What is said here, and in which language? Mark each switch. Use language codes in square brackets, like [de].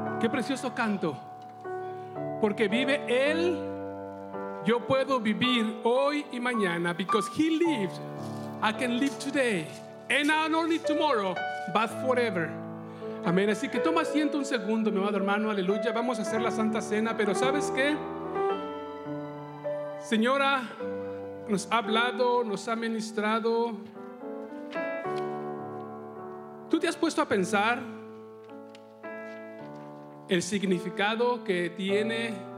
[es] Precioso canto, porque vive él, yo puedo vivir hoy y mañana. [en] Because he lives, I can live today, and not only tomorrow, but forever. [es] Amén. Así que toma asiento un segundo, mi amado hermano. Aleluya. Vamos a hacer la Santa Cena, pero ¿sabes qué? Señora, nos ha hablado, nos ha ministrado. ¿Tú te has puesto a pensar el significado que tiene